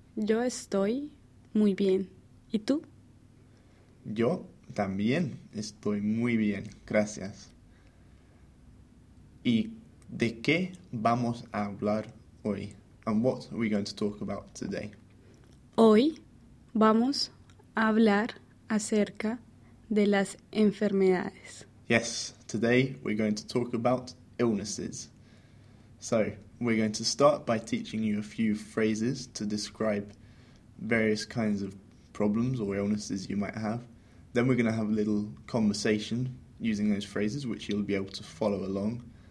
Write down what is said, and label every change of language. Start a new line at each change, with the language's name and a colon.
Spanish: Yo estoy muy bien. ¿Y tú? Yo también estoy muy bien, gracias. ¿Y de qué vamos a hablar hoy?
English: And what are we going to talk about today?
Spanish: Hoy vamos a hablar acerca de las enfermedades.
English: Yes, today we're going to talk about illnesses. So, we're going to start by teaching you a few phrases to describe various kinds of problems or illnesses you might have. Then we're going to have a little conversation using those phrases, which you'll be able to follow along.